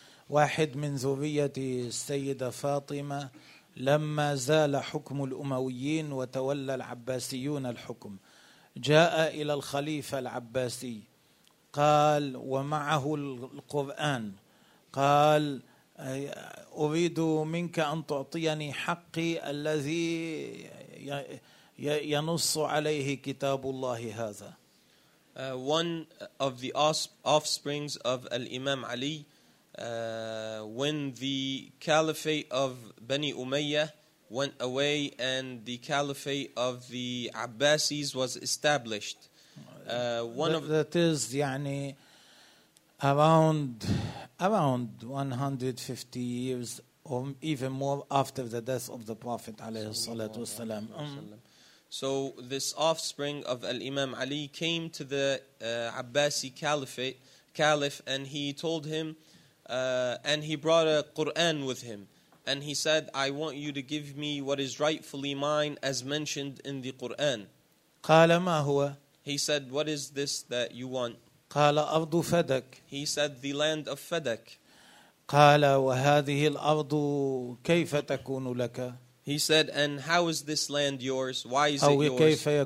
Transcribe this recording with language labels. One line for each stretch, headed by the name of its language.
Arabic: واحد من ذرية السيدة فاطمة لما زال حكم الأمويين وتولى العباسيون الحكم جاء إلى الخليفة العباسي قال ومعه القرآن قال أريد منك أن تعطيني حقي الذي ينص عليه كتاب الله هذا.
English: One of the offsprings of Al-Imam Ali, when the caliphate of Bani Umayyah went away and the caliphate of the Abbasis was established. That is around 150 years or even more after the death of the Prophet alayhi salatu wasalam. So this offspring of Al-Imam Ali came to the Abbasi caliph and he told him, and he brought a Qur'an with him. And he said, I want you to give me what is rightfully mine as mentioned in the Qur'an.
Arabic: قال ما هو?
English: He said, what is this that you want?
Arabic: قال أرض فدك.
English: He said, the land of Fadak.
Arabic: قال وهذه الأرض كيف تكون لك?
English: He said, and how is this land yours? Why is it yours?